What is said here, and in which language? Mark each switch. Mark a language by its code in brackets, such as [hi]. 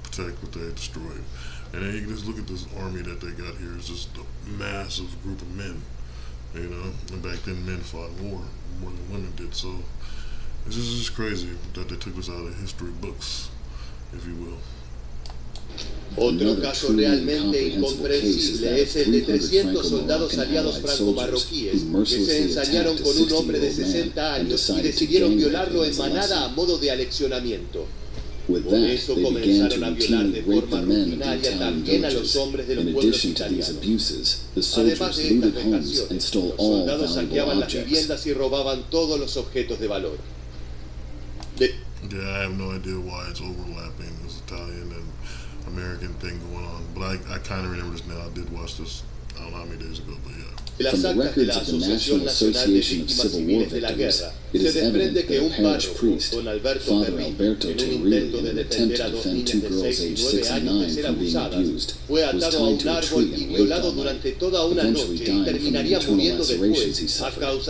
[en] protect what they had destroyed. And then you can just look at this army that they got here. It's just a massive group of men, you know? And back then, men fought more than women did. So this is just crazy that they took this out of history books, if you will. [es] Otro caso realmente incomprensible es el de 300 soldados aliados franco-marroquíes que se ensañaron con un hombre de 60 años y decidieron violarlo en manada a modo de aleccionamiento. Con eso comenzaron a violar de forma rutinaria también a los hombres de los pueblos italianos. Además de estas vejaciones, los soldados saqueaban las viviendas y robaban todos los objetos de valor. [en] Yeah, I have no idea why it's overlapping this Italian and American thing going on, but I kind of remember this now. I did watch this, I don't know how many days ago, but yeah. From the records of the National Association of Civil War Victims, it is evident that a parish priest, Father Alberto Terrilli, in an attempt to defend two girls aged 6 and 9 from being abused, was tied to a tree and raped all night, eventually dying from the internal lacerations he suffered.